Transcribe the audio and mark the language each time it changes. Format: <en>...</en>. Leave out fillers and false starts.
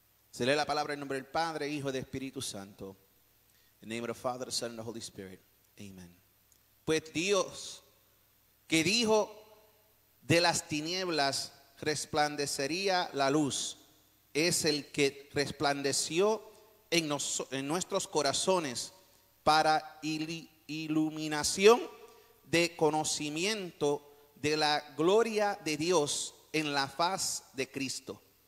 <es>Se lee la palabra en nombre del Padre, Hijo y del Espíritu Santo.</es> <en>In the name of the Father, the Son, and the Holy Spirit. Amen.</en> <es>Pues Dios, que dijo de las tinieblas resplandecería la luz, es el que resplandeció en nuestros corazones para iluminación de conocimiento de la gloria de Dios en la faz de Cristo.</es>